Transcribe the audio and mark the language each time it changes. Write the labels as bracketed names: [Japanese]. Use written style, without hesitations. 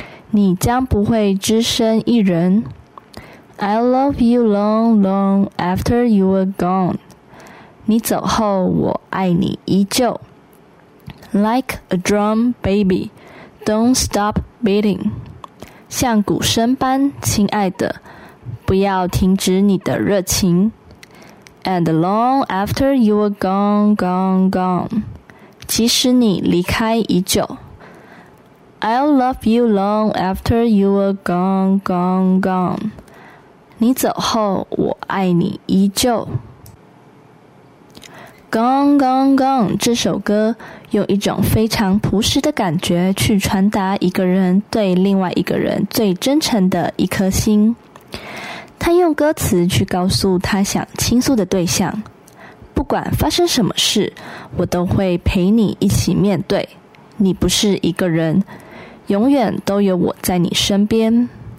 [Chinese] 你将不会只身一人。 [English] I'll love you long, long after you are gone. [Chinese] 你走后我爱你依旧。 [English] Like a drum, baby, don't stop beating. [Chinese] 像鼓声般，亲爱的，不要停止你的热情。 [English] And long after you were gone, gone, gone, [Chinese] 即使你离开已久。 [English] I'll love you long after you were gone, gone, gone, [Chinese] 你走后我爱你依旧。 [English] Gone, gone, gone [Chinese] 这首歌用一种非常朴实的感觉去传达一个人对另外一个人最真诚的一颗心。他用歌词去告诉他想倾诉的对象，不管发生什么事，我都会陪你一起面对，你不是一个人，永远都有我在你身边。